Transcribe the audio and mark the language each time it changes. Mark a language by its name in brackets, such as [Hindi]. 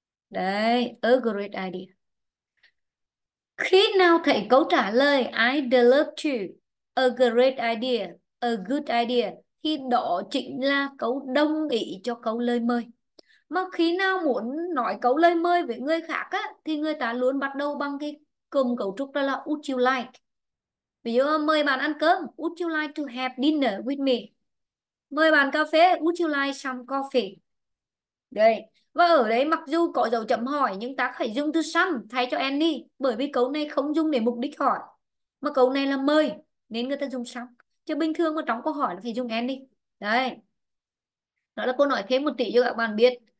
[Vietnamese] Đấy, [English] a great idea. [Vietnamese] Khi nào thấy câu trả lời [English] I'd love to, a great idea, a good idea, [Vietnamese] thì đó chính là câu đồng ý cho câu lời mời. Mà khi nào muốn nói câu lời mời với người khác á, thì người ta luôn bắt đầu bằng cái cụm cấu trúc đó là [English] would you like. [Vietnamese] Ví dụ mời bạn ăn cơm, [English] would you like to have dinner with me? [Vietnamese] Mời bạn cà phê, [English] would you like some coffee? [Vietnamese] Đây. Và ở đây mặc dù có dấu chấm hỏi nhưng ta phải dùng từ some thay cho any, bởi vì câu này không dùng để mục đích hỏi, mà câu này là mời nên người ta dùng some. Chứ bình thường mà trong câu hỏi là phải dùng any. Đấy. Đó là cô nói thêm một tí cho các bạn biết.